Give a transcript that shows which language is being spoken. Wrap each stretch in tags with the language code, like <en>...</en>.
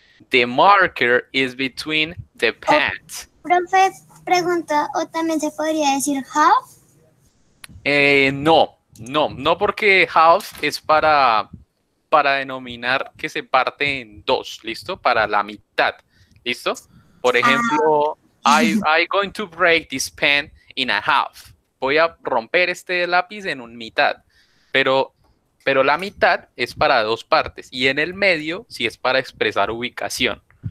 <en>The marker is between the pants.</en> <es>Profe, pregunta, ¿o también se podría decir half? No, porque half es para denominar que se parte en dos, ¿listo? Para la mitad, ¿listo? Por ejemplo,</es> <en>I'm going to break this pen in a half.</en> <es>Voy a romper este lápiz en un mitad. Pero la mitad es para dos partes. Y en el medio, sí es para expresar ubicación.</es>